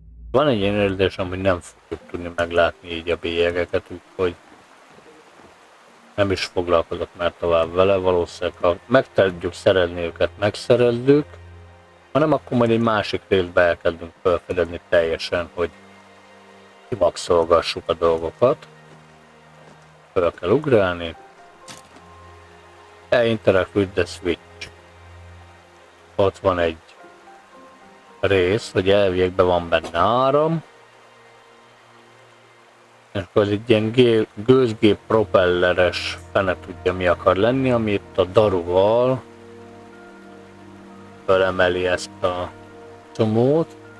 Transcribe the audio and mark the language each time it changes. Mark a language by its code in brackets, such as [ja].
[hu] Van egy ilyen érzésem, hogy nem fogjuk tudni meglátni így a bélyegeket, úgyhogy nem is foglalkozok már tovább vele. Valószínűleg, ha megtudjuk szerezni őket, megszerezzük. Ha nem, akkor majd egy másik részbe elkezdünk felfedezni teljesen, hogy kimaxolgassuk a dolgokat. Föl kell ugrálni. [en] Interact with the switch. [hu] Ott van egy rész, hogy elvégben van benne áram. És akkor az egy ilyen gőzgép propelleres fene tudja mi akar lenni, amit a daruval felemeli ezt a csomót.